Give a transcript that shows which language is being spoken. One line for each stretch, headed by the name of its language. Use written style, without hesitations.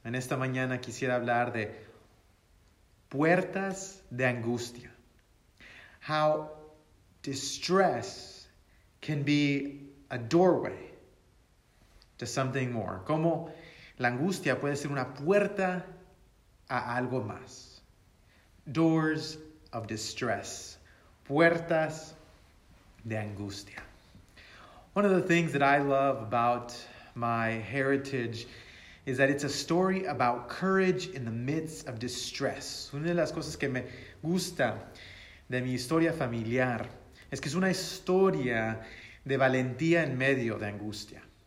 Spanish: En esta mañana quisiera hablar de puertas de angustia.
English: How distress can be a doorway to something more.
Spanish: Como la angustia puede ser una puerta a algo más.
English: Doors of distress.
Spanish: Puertas de angustia.
English: One of the things that I love about my heritage is that it's a story about courage in the midst of distress.
Spanish: Una de las cosas que me gusta de mi historia familiar es que es una historia de valentía en medio de angustia.